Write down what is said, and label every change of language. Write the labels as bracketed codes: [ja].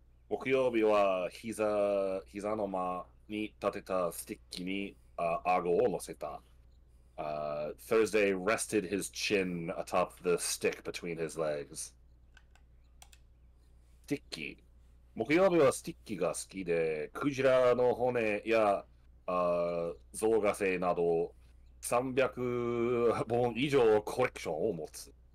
[ja] 木曜日は膝の間に立てたスティックに顎を乗せた。 [en] Thursday rested his chin atop the stick between his legs. [ja] スティック。木曜日はスティックが好きで、クジラの骨やゾウガセなど300本以上コレクションを持つ。